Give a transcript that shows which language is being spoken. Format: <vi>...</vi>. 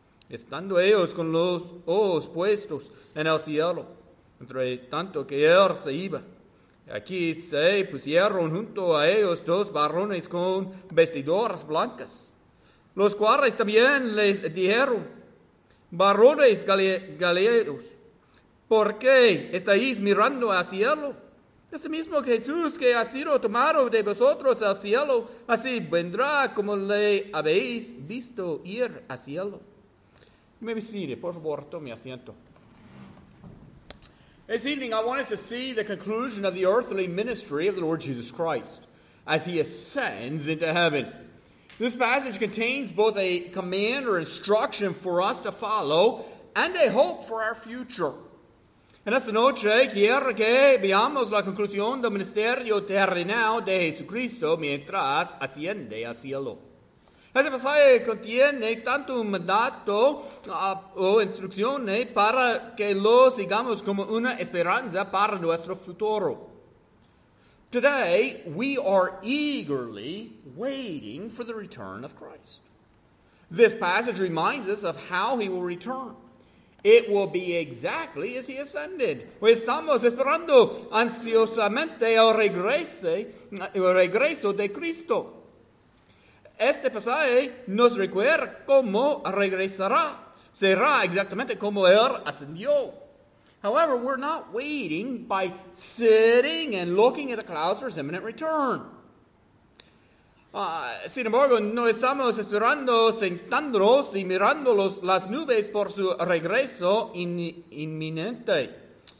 <es>Estando ellos con los ojos puestos en el cielo, entre tanto que él se iba, aquí se pusieron junto a ellos dos varones con vestiduras blancas, los cuales también les dijeron, varones galileos, ¿por qué estáis mirando al cielo? Ese mismo Jesús que ha sido tomado de vosotros al cielo, así vendrá como le habéis visto ir al cielo. Me visite, por favor, tome asiento.</es> <en>This evening I wanted to see the conclusion of the earthly ministry of the Lord Jesus Christ as he ascends into heaven. This passage contains both a command or instruction for us to follow and a hope for our future.</en> <es>En esta noche quiero que veamos la conclusión del ministerio terrenal de Jesucristo mientras asciende al cielo. Este pasaje contiene tanto un mandato o instrucciones para que lo sigamos como una esperanza para nuestro futuro.</es> <en>Today, we are eagerly waiting for the return of Christ. This passage reminds us of how he will return. It will be exactly as he ascended.</en> <es>Estamos esperando ansiosamente el regreso de Cristo. Este pasaje nos recuerda cómo regresará. Será exactamente como él ascendió.</es> <en>However, we're not waiting by sitting and looking at the clouds for his imminent return.</en> <es>Sin embargo, no estamos esperando, sentándonos y mirando las nubes por su regreso inminente.</es>